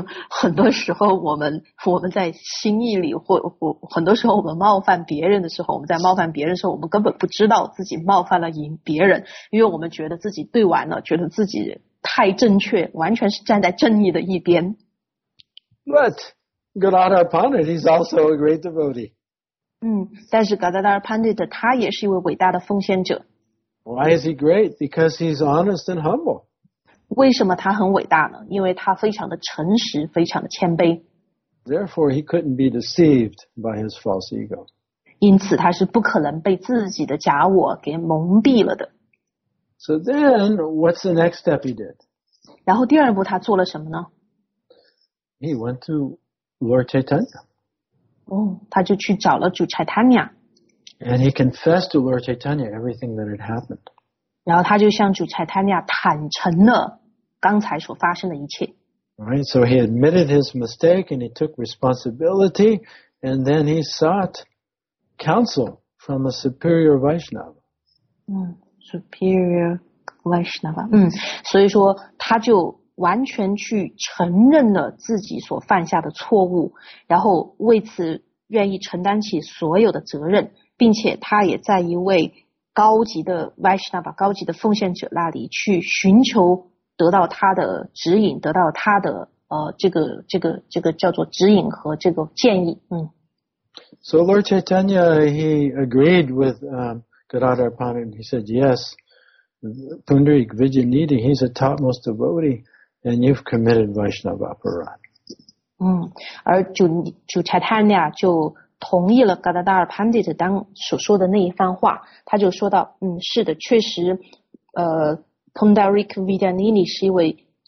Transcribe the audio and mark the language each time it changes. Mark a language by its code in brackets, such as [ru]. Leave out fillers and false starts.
[zh] 很多时候我们在心意里或很多时候我们冒犯别人的时候，我们在冒犯别人的时候，我们根本不知道自己冒犯了别人，因为我们觉得自己对完了，觉得自己太正确，完全是站在正义的一边。 [en] But Gadadhar Pandit, he's also a great devotee. [zh] 但是 Gadadhar Pandit 他也是一位伟大的奉献者。 [en] Why is he great? Because he's honest and humble. [zh] 为什么他很伟大呢？因为他非常的诚实，非常的谦卑。 [en] Therefore, he couldn't be deceived by his false ego. [zh] 因此他是不可能被自己的假我给蒙蔽了的。 [en] So then, what's the next step he did? [zh] 然后第二步他做了什么呢？ [en] He went to Lord Chaitanya. [zh] 他就去找了主 Chaitanya。 [en] And he confessed to Lord Chaitanya everything that had happened. [zh] 然后他就向主 Chaitanya 坦诚了刚才所发生的一切。 [en] Right, so he admitted his mistake and he took responsibility and then he sought counsel from a superior Vaishnava. Superior Vaishnava. [zh] 所以说他就完全去承认了自己所犯下的错误，然后为此愿意承担起所有的责任。并且他也在一位高级的 Vaishnava 高级的奉献者那里去寻求得到他的指引，得到他的这个叫做指引和这个建议。 [en] So Lord Chaitanya, he agreed with Gadadhar Pandit. He said, yes, Pundarik Vijayaniti, he's a topmost devotee and you've committed Vaishnava apparat. [zh] 而主 Chaitanya 就同意了 Gadadhar Pandit 当所说的那一番话，他就说到，是的，确实，Pundarik Vijayaniti 是一位